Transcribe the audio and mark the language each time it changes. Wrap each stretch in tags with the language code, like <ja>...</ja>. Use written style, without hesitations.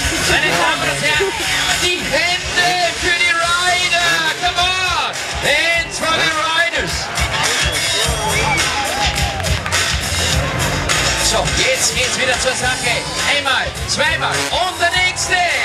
<de>Meine Damen und Herren, die Hände für die Rider.</de> <en>Come on, hands for the Riders.</en> <de>So, jetzt geht's wieder zur Sache. Einmal, zweimal und der nächste.</de>